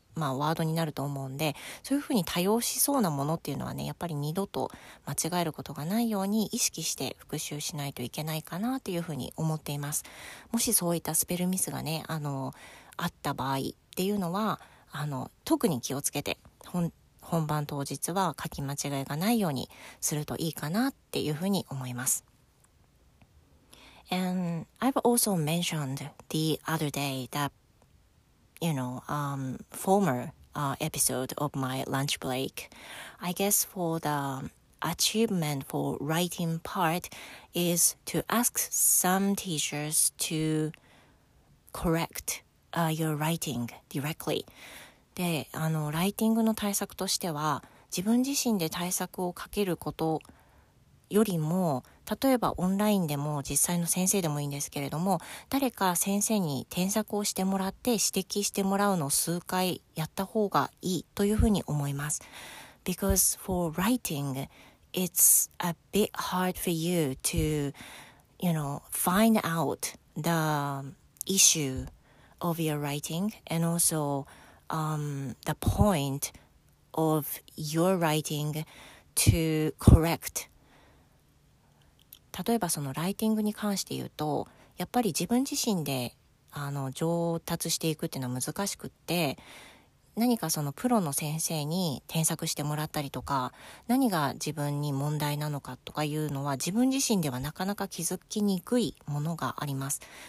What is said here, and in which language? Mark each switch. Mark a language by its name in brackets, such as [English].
[Japanese] まあ、ワードになると思うんで、そういうふうに多用しそうなものっていうのはね、やっぱり二度と間違えることがないように意識して復習しないといけないかなというふうに思っています。もしそういったスペルミスがね、あった場合っていうのは、特に気をつけて本番当日は書き間違いがないようにするといいかなっていうふうに思います。 [English] And I've also mentioned the other day that, you know, former episode of my lunch break. I guess for the achievement for writing part is to ask some teachers to correct your writing directly. [Japanese] で、ライティングの対策としては、自分自身で対策をかけることよりも、例えばオンラインでも実際の先生でもいいんですけれども、誰か先生に添削をしてもらって指摘してもらうのを数回やった方がいいというふうに思います。 [English] Because for writing, it's a bit hard for you to, you know, find out the issue of your writing and also, the point of your writing to correct. [Japanese] 例えばそのライティングに関して言うと、やっぱり自分自身で上達していくっていうのは難しくって、何かそのプロの先生に添削してもらったりとか、何が自分に問題なのかとかいうのは自分自身ではなかなか気づきにくいものがあります。